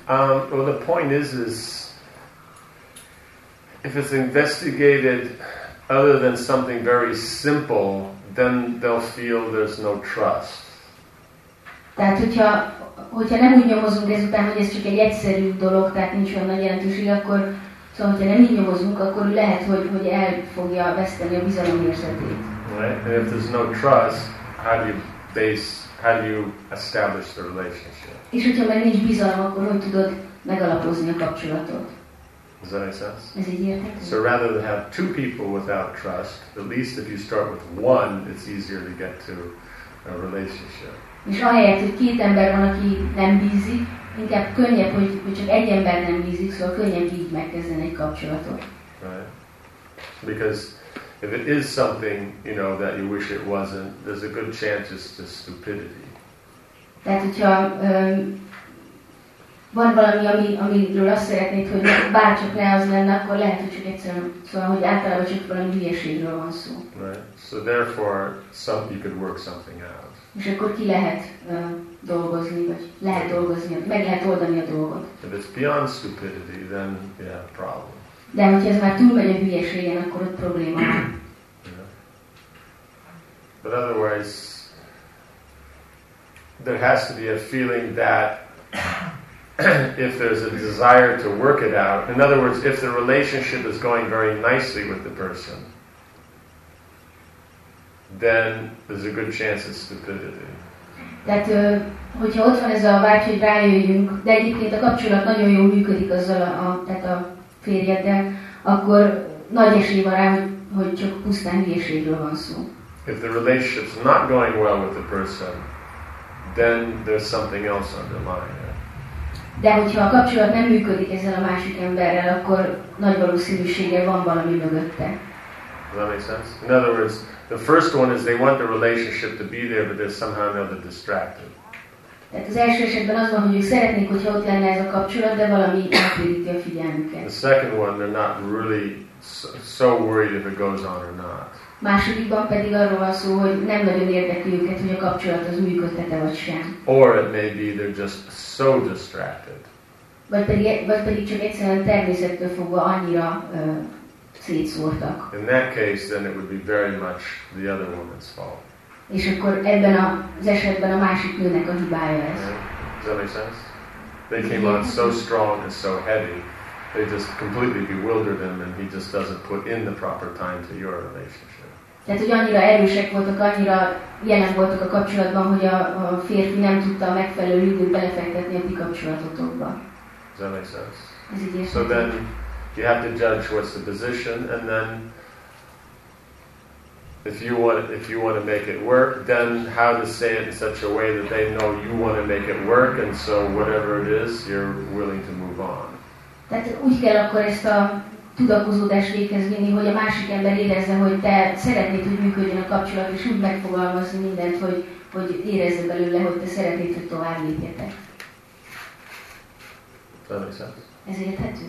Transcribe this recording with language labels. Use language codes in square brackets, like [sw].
[en] Well, the point is if it's investigated other than something very simple, then they'll feel there's no trust. [hu] Tehát hogyha nem úgy nyomozunk ezután, hogy ez csak egy egyszerű dolog, tehát nincs olyan nagy jelentőség, akkor szóval, hogyha nem így nyomozunk, akkor lehet, hogy el fogja veszteni a bizalomérzetét. [en] Right? And if there's no trust, how do you establish the relationship? [hu] És hogyha meg nincs bizalom, akkor hogy tudod megalapozni a kapcsolatot? [en] Does that make sense? [hu] Ez így érthető? [en] So rather than have two people without trust, at least if you start with one, it's easier to get to a relationship. [hu] És ahelyett, hogy két ember van, aki nem bízik, inkább könnyebb, hogy csak egy ember nem bízik, szóval könnyebb így megkezdeni egy kapcsolatot. [en] Right. Because if it is something, you know, that you wish it wasn't, there's a good chance it's just stupidity. [hu] Tehát, hogyha van valami, amiről azt szeretnéd, hogy bárcsak ne az lenne, akkor lehet, hogy csak egyszerűen, szóval, hogy általában csak valami hülyeségről van szó. [en] Right. So therefore, you could work something out. [hu] És akkor ki lehet dolgozni, vagy lehet dolgozni, meg lehet oldani a dolgot. [en] If it's beyond stupidity, then you have a problem. [hu] De hogyha ez már túlmegy a hülyeségen, akkor ott probléma van. [en] Yeah. But otherwise, there has to be a feeling that if there's a desire to work it out, in other words, if the relationship is going very nicely with the person, then there's a good chance it's stupidity. [hu] Tehát, hogyha ott van ez a vágy, hogy rájöjjünk, de egyébként a kapcsolat nagyon jól működik azzal a férjeddel, akkor nagy esély van rá, hogy csak pusztán hülyeségről van szó. [en] If the relationship's not going well with the person, then there's something else underlying it. [hu] De hogyha a kapcsolat nem működik ezzel a másik emberrel, akkor nagy valószínűséggel van valami mögötte. [en] Does that make sense? In other words, the first one is they want the relationship to be there, but they're somehow or another distracted. [hu] Tehát az első esetben az van, hogy ők szeretnék, hogyha ott lenne ez a kapcsolat, de valami elkülöníti a figyelmüket. [en] The second one, they're not really so worried if it goes on or not. [hu] Másodikban pedig arról van szó, hogy nem nagyon érdekli őket, hogy a kapcsolat az működtet-e vagy sem. [en] Or it may be they're just so distracted. [hu] Vagy pedig csak egyszerűen természettől fogva annyira szétszórtak. [en] In that case, then it would be very much the other woman's fault. [hu] És akkor ebben az esetben a másik nőnek a hibája ez. [en] Does that make sense? They came on so strong and so heavy, they just completely bewildered him, and he just doesn't put in the proper time to your relationship. [hu] Tehát, hogy annyira erősek voltak, annyira jelen voltak a kapcsolatban, hogy a férfi nem tudta a megfelelő időt belefektetni a ti kapcsolatotokba. [en] Does that make sense? [hu] Ez így [en] so then you have to judge what's the position, and then if you want to make it work, then how to say it in such a way that they know you want to make it work, and so whatever it is, you're willing to move on. [hu] Tehát úgy kell akkor ezt a tudakozódást véghez vinni, hogy a másik ember érezze, hogy te szeretnéd, hogy működjön a kapcsolat, és úgy megfogalmazni mindent, hogy érezze belőle, hogy te szeretnéd, hogy tovább lépjetek. [en] That makes sense. [hu] Ez érthető?